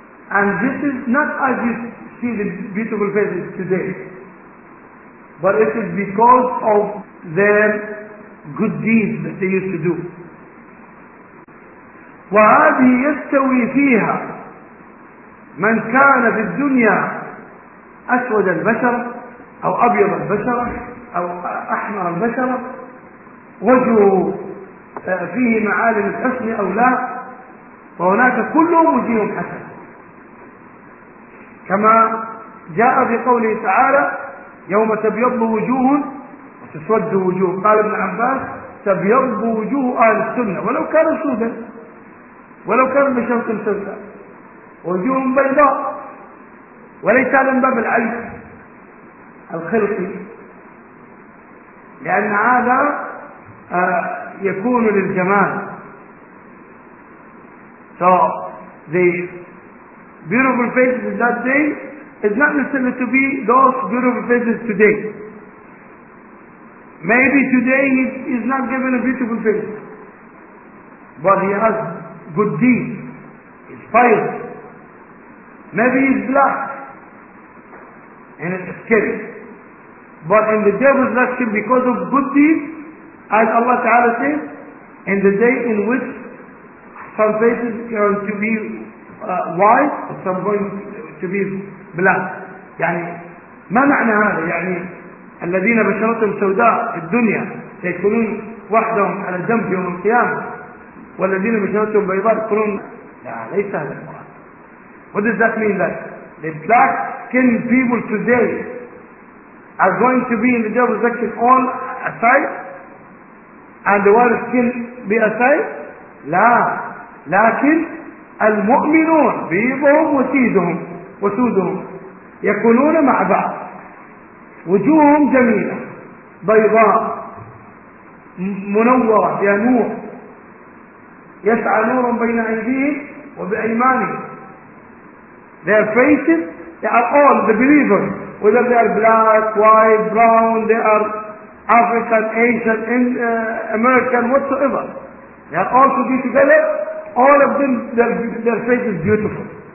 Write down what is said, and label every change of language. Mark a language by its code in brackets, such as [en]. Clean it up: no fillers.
[en] And this is not as you see the beautiful faces today, but it is because of their good deeds that they used to do. [ar] وهذه يستوي فيها من كان في الدنيا أسود البشرة أو أبيض البشرة أو أحمر البشرة وجهه فيه معالم الحسن أو لا فهناك كلهم وجههم حسن كما جاء في قوله تعالى يوم تبيض وجوه وتسود وجوه قال ابن عباس تبيض وجوه أهل السنة ولو كان سودا ولو كان بشرط سودا وجوههم بيضاء وليس هذا من باب العجب الخلقي لأن هذا يكون للجمال. [en] So the beautiful faces of that day is not necessarily to be those beautiful faces today. Maybe today he is not given a beautiful face, but he has good deeds, he's pious. Maybe he's black and it's scary. But in the day of resurrection, because of good deeds, as Allah Ta'ala says, in the day in which some faces are to be white, some going to be black. [ar] يعني ما معنى هذا؟ يعني الذين بشرتهم سوداء في الدنيا سيكونون وحدهم على الجنب يوم القيامة والذين بشرتهم بيضاء يكونون لا ليس هذا المراد. [en] What does that mean that? The black skin people today are going to be in the devil's section all aside and the white skin be aside? [ar] لا لكن المؤمنون بيضهم وسيدهم وسودهم يكونون مع بعض وجوههم جميلة بيضاء منورة يا نور يسعى نور بين أيديهم وبأيمانهم. [en] Their faces, they are all the believers. whether they are black, white, brown, they are African, Asian, American, whatsoever. They are all to be together. All of them, their face is beautiful.